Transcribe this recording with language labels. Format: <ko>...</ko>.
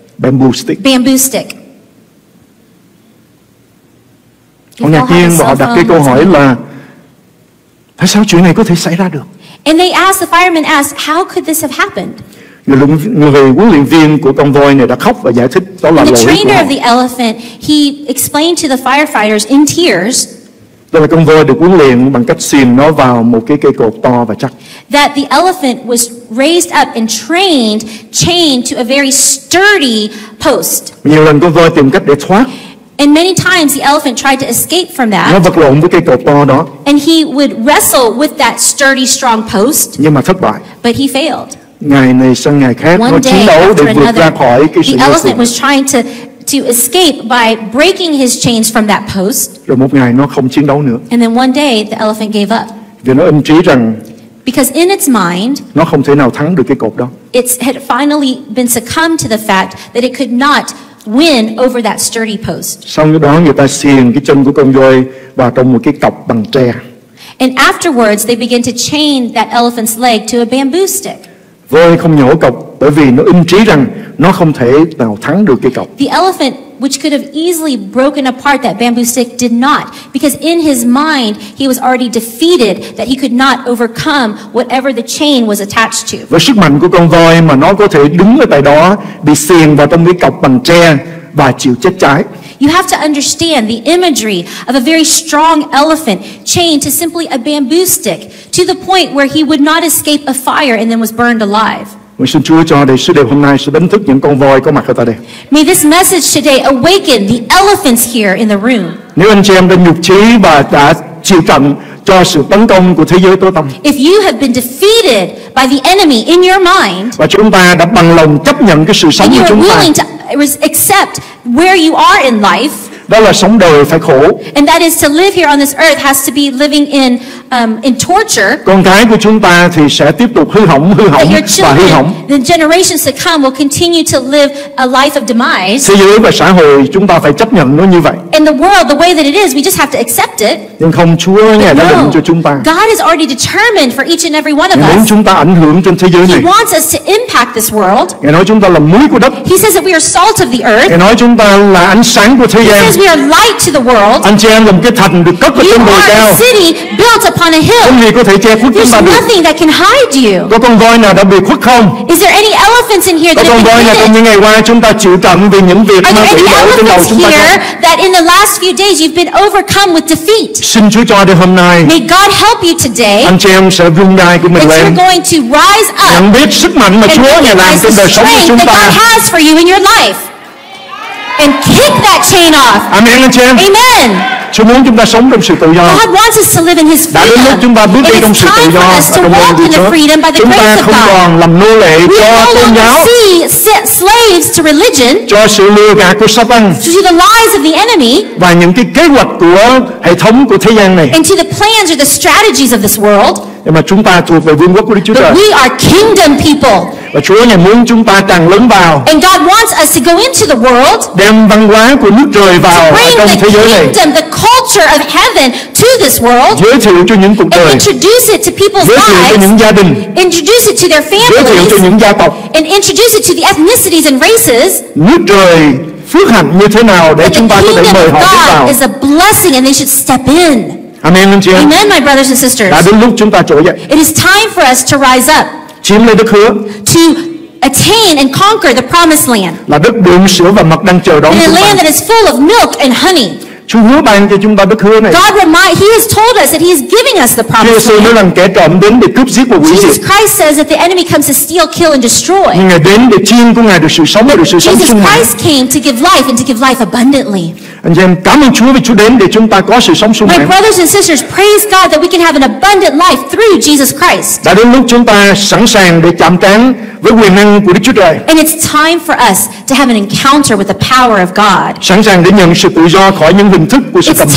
<en>Bamboo stick. Bamboo stick.</en> <vi>Họ ngạc nhiên và họ đặt cái câu hỏi là tại sao chuyện này có thể xảy ra được?</vi> <en>And they asked, the fireman asked, how could this have happened?</en> <vi>Người huấn luyện viên của con voi này đã khóc và giải thích đó là lỗi của họ.</vi> <en>The trainer of the elephant, he explained to the firefighters in tears.</en> <vi>Đó là con voi được huấn luyện bằng cách xiềng nó vào một cái cây cột to và chắc.</vi> <en>That the elephant was raised up and trained, chained to a very sturdy post.</en> <vi>Nhiều lần con voi tìm cách để thoát.</vi> <en>And many times the elephant tried to escape from that.</en> <vi>Nó vật lộn với cây cột to đó.</vi> <en>And he would wrestle with that sturdy, strong post.</en> <vi>Nhưng mà thất bại.</vi> <en>But he failed.</en> <vi>Ngày này sang ngày khác, nó chiến đấu để vượt ra khỏi cái sự</vi> <en>The elephant was trying to escape by breaking his chains from that post.</en> <vi>Rồi một ngày nó không chiến đấu nữa.</vi> <en>And then one day the elephant gave up.</en> <vi>Vì nó ấn trí rằng.</vi> <en>Because in its mind.</en> <vi>Nó không thể nào thắng được cái cột đó.</vi> <en>It had finally been succumbed to the fact that it could not win over that sturdy post.</en> <vi>Sau đó người ta xiềng cái chân của con voi vào trong một cái cọc bằng tre.</vi> <en>And afterwards they begin to chain that elephant's leg to a bamboo stick.</en> <vi>Voi không nhổ cọc bởi vì nó ưng trí rằng nó không thể nào thắng được cây cọc.</vi> <en>The elephant, which could have easily broken apart that bamboo stick, did not, because in his mind he was already defeated that he could not overcome whatever the chain was attached to.</en> <vi>Với sức mạnh của con voi mà nó có thể đứng ở tại đó bị xiềng vào trong cái cọc bằng tre và chịu chết cháy.</vi> <en>You have to understand the imagery of a very strong elephant chained to simply a bamboo stick to the point where he would not escape a fire and then was burned alive.</en> <vi>Nguyện xin Chúa cho đời sứ điệp hôm nay sẽ đánh thức những con voi có mặt ở tại đây.</vi> <en>May this message today awaken the elephants here in the room.</en> <vi>Nếu anh chị em đã nhục chí và đã chịu trận cho sự tấn công của thế giới tối tăm.</vi> <en>If you have been defeated by the enemy in your mind.</en> <vi>Và chúng ta đã bằng lòng chấp nhận cái sự sống của chúng ta.</vi> <en>And you are willing to accept where you are in life.</en> <vi>Đó là sống đời phải khổ.</vi> <en>And that is to live here on this earth has to be living in torture.</en> <vi>Con cái của chúng ta thì sẽ tiếp tục hư hỏng và hư hỏng.</vi> <en>The generations to come will continue to live a life of demise.</en> <vi>Thế giới và xã hội chúng ta phải chấp nhận nó như vậy.</vi> <en>And the world, the way that it is, we just have to accept it.</en> <vi>Nhưng không, Chúa Ngài đã định cho chúng ta.</vi> <en>God has already determined for each and every one of us.</en> <vi>Muốn chúng ta ảnh hưởng trên thế giới này.</vi> <en>He wants us to impact this world.</en> <vi>Ngài nói chúng ta là muối của đất.</vi> <en>He says that we are salt of the earth.</en> <vi>Ngài nói chúng ta là ánh sáng của thế gian.</vi> <en>He says we are light to the world.</en> <vi>Anh chị em làm cái thành được cất ở trên bờ cao.</vi> <en>You are a city built upon a hill.</en> <vi>Không gì có thể che khuất chúng ta được.</vi> <en>There's nothing that can hide you.</en> <vi>Có con voi nào đã bị khuất không?</vi> <en>Is there any elephants in here that have been hit?</en> <vi>Trong những ngày qua chúng ta chịu trận vì những việc mà bị bỏ trên đầu chúng ta.</vi> <en>Are there any elephants here that in the last few days you've been overcome with defeat?</en> <vi>Xin Chúa cho đời hôm nay.</vi> <en>May God help you today.</en> <vi>Anh chị em sẽ vung đai của mình lên.</vi> <en>You're going to rise up.</en> <vi>Nhận biết sức mạnh mà Chúa ngài làm trên đời sống của chúng ta.</vi> <en>That God has for you in your life. And kick that chain off. Amen. Amen.</en> <vi>Chúa muốn chúng ta sống trong sự tự do.</vi> <en>God wants us to live in His freedom.</en> <vi>Đã đến lúc chúng ta bước đi trong sự tự do và trong ơn của Chúa. Chúng ta không còn làm nô lệ cho tôn giáo.</vi> <en>We no longer see slaves to religion.</en> <vi>Cho sự lừa gạt của Satan.</vi> <en>To the lies of the enemy.</en> <vi>Và những cái kế hoạch của hệ thống của thế gian này.</vi> <en>And to the plans or the strategies of this world.</en> <vi>Nhưng mà chúng ta thuộc về vương quốc của Đức Chúa Trời.</vi> <en>But we are kingdom people.</en> <vi>Và Chúa ngài muốn chúng ta tràn lớn vào.</vi> <en>And God wants us to go into the world.</en> <vi>Đem văn hóa của nước trời vào trong thế giới này.</vi> <en>Kingdom, the culture of heaven to this world.</en> <vi>Giới thiệu cho những cuộc đời.</vi> <en>And introduce it to people's lives.</en> <vi>Giới thiệu cho những gia đình.</vi> <en>Introduce it to their families.</en> <vi>Giới thiệu cho những gia tộc.</vi> <en>And introduce it to the ethnicities and races.</en> <vi>Nước trời phước hạnh như thế nào để chúng ta có thể mời họ bước vào.</vi> <en>Is a blessing and they should step in.</en> <vi>Amen, anh chị em.</vi> <en>Amen, my brothers and sisters.</en> <vi>Đã đến lúc chúng ta trỗi dậy.</vi> <en>It is time for us to rise up.</en> <vi>Chiếm lấy đất hứa.</vi> <en>To attain and conquer the promised land.</en> <vi>Là đất đường sữa và mật đang chờ đón chúng ta.</vi> <en>A land that is full of milk and honey.</en> <vi>Chúa hứa ban cho chúng ta đất hứa này.</vi> <en>God reminds, He has told us that He is giving us the promised land.</en> <vi>Chúa nói rằng kẻ trộm đến để cướp giết và hủy diệt.</vi> <en>Jesus Christ says that the enemy comes to steal, kill and destroy.</en> <vi>Nhưng ngài đến để chiêm của ngài được sự sống và được sự sống.</vi> <en>Jesus Christ came to give life and to give life abundantly.</en> <vi>Anh em cảm ơn Chúa vì Chúa đến để chúng ta có sự sống sung mãn.</vi> <en>My brothers and sisters, praise God that we can have an abundant life through Jesus Christ.</en> <vi>Đã đến lúc chúng ta sẵn sàng để chạm trán với quyền năng của Đức Chúa Trời.</vi> <en>And it's time for us to have an encounter with the power of God.</en> <vi>Sẵn sàng để nhận sự tự do khỏi những hình thức của sự cầm buộc.</vi>